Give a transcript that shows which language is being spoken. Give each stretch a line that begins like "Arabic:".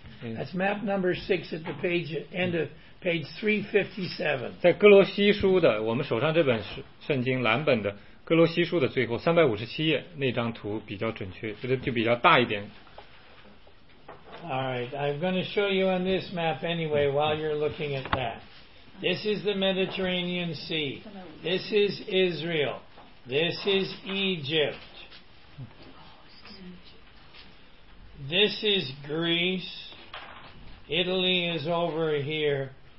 English: That's map number 6 at the page end of page 357.
Chinese: 在哥罗西书的，我们手上这本圣经蓝本的哥罗西书的最后357页那张图比较准确，就比较大一点。
English: All right, I'm going to show you on this map anyway while you're looking at that. This is the Mediterranean Sea. This is Israel. This is Egypt. This is Greece. Italy is over here.